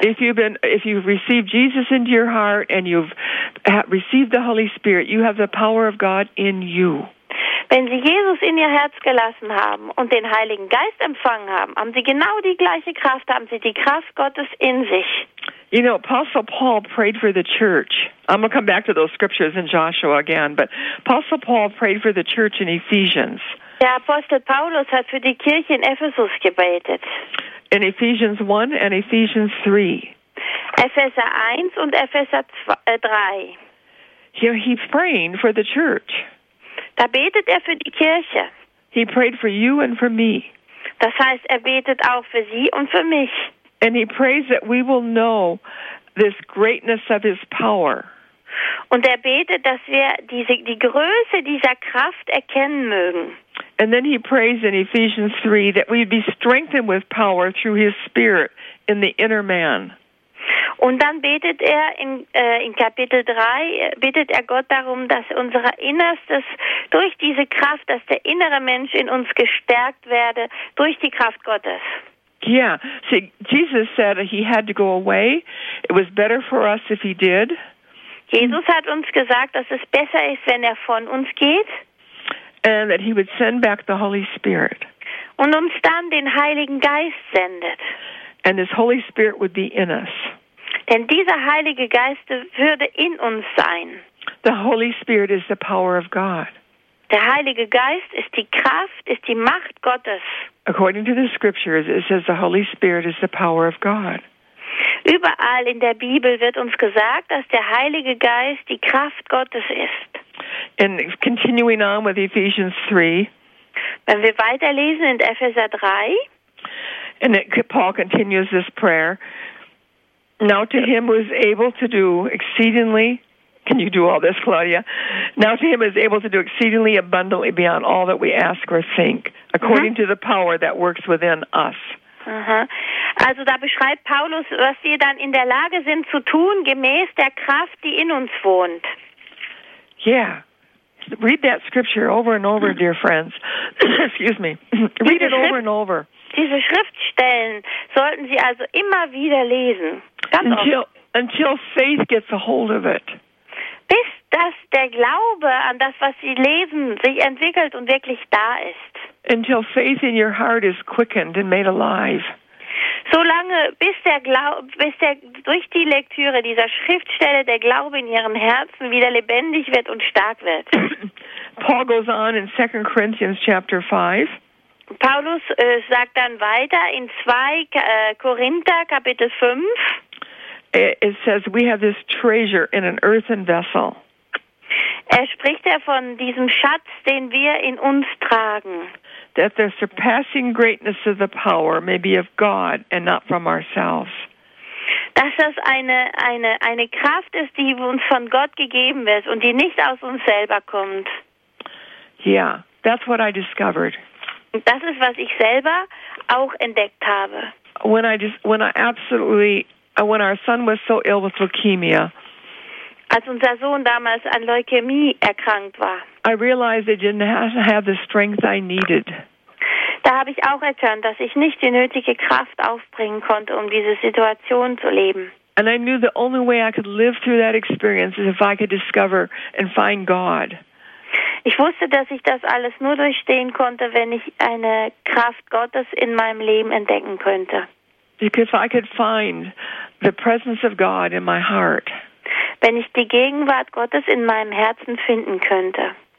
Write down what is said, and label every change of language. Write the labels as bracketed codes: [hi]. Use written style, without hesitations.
[en] If you've received Jesus into your heart and you've received the Holy Spirit, you have the power of God in you. [de] Wenn Sie Jesus in Ihr Herz gelassen haben und den Heiligen Geist empfangen haben, haben Sie genau die gleiche Kraft, haben Sie die Kraft Gottes in sich. [en] You know, Apostle Paul prayed for the church. I'm going to come back to those scriptures in Joshua again, but Apostle Paul prayed for the church in Ephesians. [de] Der Apostel Paulus hat für die Kirche in Ephesus gebetet. [en] In Ephesians 1 and Ephesians 3. [de] Epheser 1 und Epheser 3. [en] Here he's praying for the church. [de] Da betet er für die Kirche. [en] He prayed for you and for me. [de] Das heißt, er betet auch für sie und für mich. [en] And he prays that we will know this greatness of his power. [de] Und er betet, dass wir die Größe dieser Kraft erkennen mögen. [en] And then he prays in Ephesians 3 that we'd be strengthened with power through his spirit in the inner man. [de] Und dann betet er in Kapitel 3, bittet er Gott darum, dass unser Innerstes durch diese Kraft, dass der innere Mensch in uns gestärkt werde, durch die Kraft Gottes. [en] Yeah, see, Jesus said he had to go away. It was better for us if he did. [de] Jesus hat uns gesagt, dass es besser ist, wenn er von uns geht. [en] And that he would send back the Holy Spirit. [de] Und uns dann den Heiligen Geist sendet. [en] And his Holy Spirit would be in us. [de] Denn dieser Heilige Geist würde in uns sein. [en] The Holy Spirit is the power of God. [de] Der Heilige Geist ist die Kraft, ist die Macht Gottes. [en] According to the scriptures, it says the Holy Spirit is the power of God. [de] Überall in der Bibel wird uns gesagt, dass der Heilige Geist die Kraft Gottes ist. [en] And continuing on with Ephesians 3. [de] Wenn wir weiterlesen in Epheser 3. [en] And Paul continues this prayer. Now to him who is able to do exceedingly, can you do all this, Claudia? Now to him who is able to do exceedingly abundantly beyond all that we ask or think, according to the power that works within us. [de] Also da beschreibt Paulus, was wir dann in der Lage sind zu tun, gemäß der Kraft, die in uns wohnt. [en] Yeah. Read that scripture over and over, dear friends. Excuse me. Read it over and over. [de] Diese Schriftstellen sollten Sie also immer wieder lesen. [en] Until faith gets a hold of it. [de] Bis dass der Glaube an das, was Sie lesen, sich entwickelt und wirklich da ist. [en] Until faith in your heart is quickened and made alive. [de] Solange bis der durch die Lektüre dieser Schriftstelle der Glaube in Ihrem Herzen wieder lebendig wird und stark wird. [en] Paul goes on in 2 Corinthians chapter 5. [de] Paulus sagt dann weiter in 2 Korinther Kapitel 5. [en] It says we have this treasure in an earthen vessel. [de] Er spricht ja von diesem Schatz, den wir in uns tragen. [en] That the surpassing greatness of the power may be of God and not from ourselves. [de] Dass das eine Kraft ist, die uns von Gott gegeben wird und die nicht aus uns selber kommt. [en] Yeah, that's what I discovered. [de] Und das ist, was ich selber auch entdeckt habe. [en] When our son was so ill with leukemia, [de] als unser Sohn damals an Leukämie erkrankt war, [en] I realized I didn't have the strength I needed. [de] Da habe ich auch erkannt, dass ich nicht die nötige Kraft aufbringen konnte, um diese Situation zu leben. [en] And I knew the only way I could live through that experience is if I could discover and find God. [de] Ich wusste, dass ich das alles nur durchstehen konnte, wenn ich eine Kraft Gottes in meinem Leben entdecken könnte. [en] Because I could find the presence of God in my heart. [de] Wenn ich die Gegenwart Gottes in meinem Herzen finden könnte.